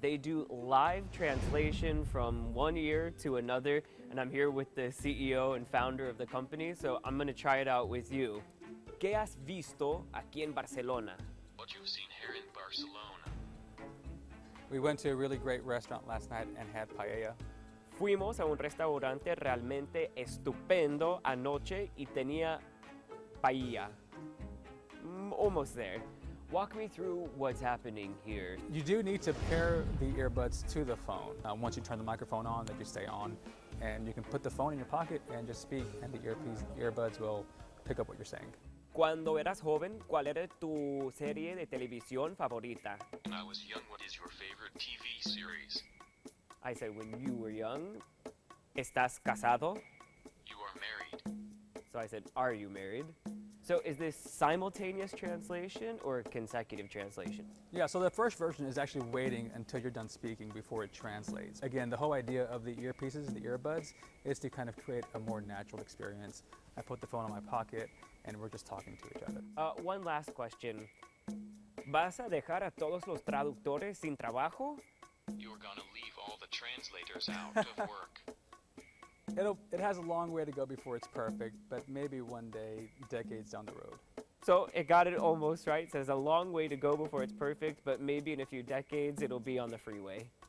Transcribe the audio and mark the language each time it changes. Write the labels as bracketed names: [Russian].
[English] They do live translation from one ear to another, and I'm here with the CEO and founder of the company, so I'm gonna try it out with you. [Spanish] ¿Qué has visto aquí en Barcelona? [English] What you've seen here in Barcelona. We went to a really great restaurant last night and had paella. [Spanish] Fuimos a un restaurante realmente estupendo anoche y tenía paella. [English] Almost there. Walk me through what's happening here. You do need to pair the earbuds to the phone. Once you turn the microphone on, they just stay on. And you can put the phone in your pocket and just speak, and the earbuds will pick up what you're saying. [Spanish] Cuando eras joven, ¿cuál era tu serie de televisión favorita? [English] When I was young, what is your favorite TV series? I said, when you were young, [Spanish] ¿estás casado? [English] You are married. So I said, are you married? So is this simultaneous translation or consecutive translation? Yeah, so the first version is actually waiting until you're done speaking before it translates. Again, the whole idea of the earpieces, the earbuds, is to kind of create a more natural experience. I put the phone in my pocket and we're just talking to each other. One last question. [Spanish] ¿Vas a dejar a todos los traductores sin trabajo? [English] You're gonna leave all the translators out of work. It has a long way to go before it's perfect, but maybe one day, decades down the road. So it got it almost right. It says a long way to go before it's perfect, but maybe in a few decades, it'll be on the freeway.